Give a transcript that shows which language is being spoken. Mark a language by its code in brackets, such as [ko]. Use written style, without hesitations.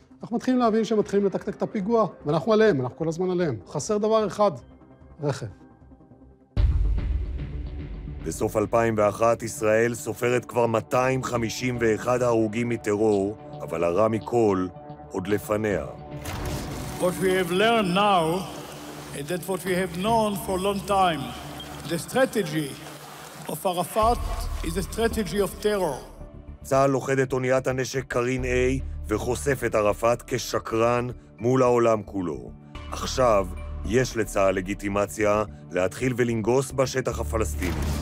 [he] אנחנו מתחילים להבין שהם מתחילים לתקתק את הפיגוע, ואנחנו עליהם, אנחנו כל הזמן עליהם. חסר דבר אחד, רכב. בסוף 2001 ישראל סופרת כבר 251 הרוגים מטרור, אבל הרע מכל עוד לפניה. [en] What we have learned now, and that what we have known for a long time, the strategy of Arafat is a strategy of terror. [he] צה"ל לוחד את אוניית הנשק קרין A וחושף את ערפאת כשקרן מול העולם כולו. עכשיו יש לצה"ל לגיטימציה להתחיל ולנגוס בשטח הפלסטיני.